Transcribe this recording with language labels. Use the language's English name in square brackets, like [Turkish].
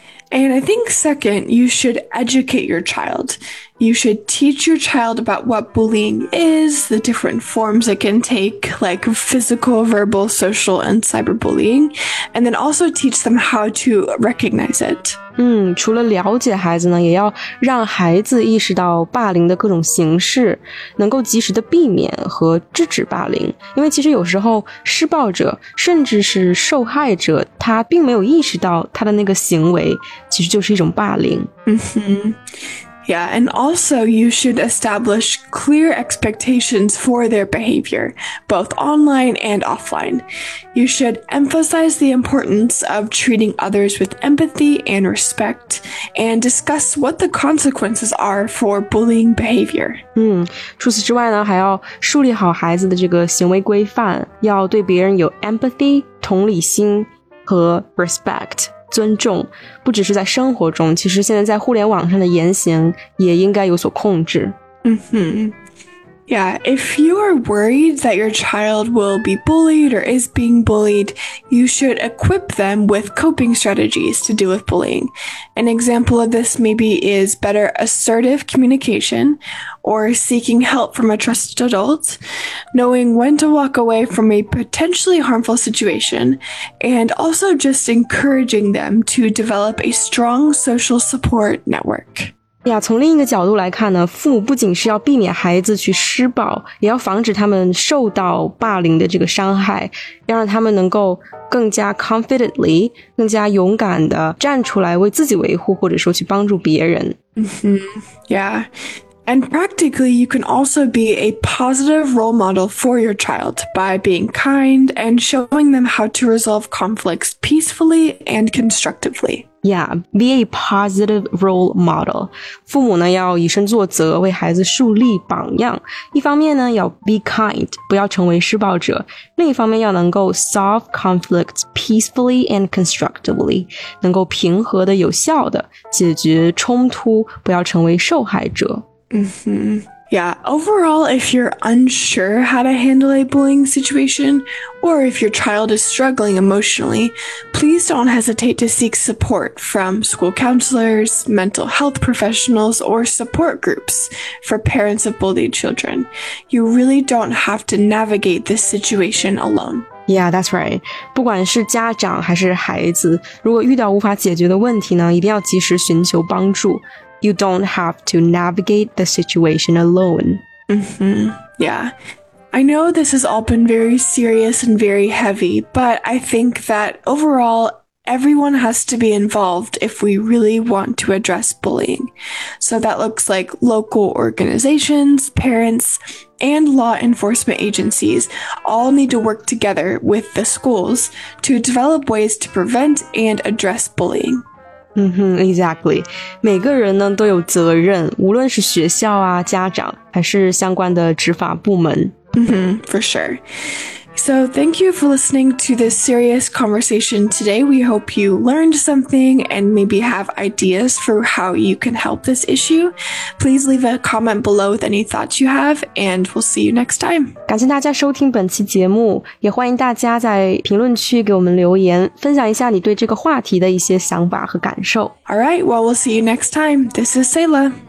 [English] And I think second, you should educate your child. You should teach your child about what bullying is, the different forms it can take, like physical, verbal, social, and cyberbullying, and then also teach them how to recognize it. [Chinese] 除了了解孩子呢，也要让孩子意识到霸凌的各种形式，能够及时的避免和制止霸凌。因为其实有时候施暴者甚至是受害者，他并没有意识到他的那个行为其实就是一种霸凌。 [English] Yeah, and also you should establish clear expectations for their behavior, both online and offline. You should emphasize the importance of treating others with empathy and respect, and discuss what the consequences are for bullying behavior. [Chinese] 除此之外呢，还要树立好孩子的这个行为规范，要对别人有 empathy, 同理心和 respect. 尊重，不只是在生活中，其实现在在互联网上的言行也应该有所控制。 [English] Yeah, if you are worried that your child will be bullied or is being bullied, you should equip them with coping strategies to deal with bullying. An example of this maybe is better assertive communication or seeking help from a trusted adult, knowing when to walk away from a potentially harmful situation, and also just encouraging them to develop a strong social support network. [Chinese] 呀，从另一个角度来看呢，父母不仅是要避免孩子去施暴，也要防止他们受到霸凌的这个伤害，要让他们能够更加 confidently, 更加勇敢地站出来为自己维护，或者说去帮助别人。 [English] Yeah, and practically, you can also be a positive role model for your child by being kind and showing them how to resolve conflicts peacefully and constructively. Yeah, be a positive role model. [Chinese] 父母呢要以身作则，为孩子树立榜样。一方面呢要 [English] be kind, [Chinese] 不要成为施暴者。另一方面要能够 [English] solve conflicts peacefully and constructively, [Chinese] 能够平和的有效的解决冲突，不要成为受害者。 [English] Yeah, overall, if you're unsure how to handle a bullying situation, or if your child is struggling emotionally, please don't hesitate to seek support from school counselors, mental health professionals, or support groups for parents of bullied children. You really don't have to navigate this situation alone. Yeah, that's right. [Chinese] 不管是家长还是孩子，如果遇到无法解决的问题呢，一定要及时寻求帮助。 [English] You don't have to navigate the situation alone. Yeah. I know this has all been very serious and very heavy, but I think that overall, everyone has to be involved if we really want to address bullying. So that looks like local organizations, parents... and law enforcement agencies all need to work together with the schools to develop ways to prevent and address bullying. Exactly. [Chinese] 每个人呢都有责任，无论是学校啊、家长，还是相关的执法部门。 [English] For sure. So thank you for listening to this serious conversation today. We hope you learned something and maybe have ideas for how you can help this issue. Please leave a comment below with any thoughts you have, and we'll see you next time. [Chinese] 感谢大家收听本期节目，也欢迎大家在评论区给我们留言，分享一下你对这个话题的一些想法和感受。 [English] All right, well, we'll see you next time. This is Sayla.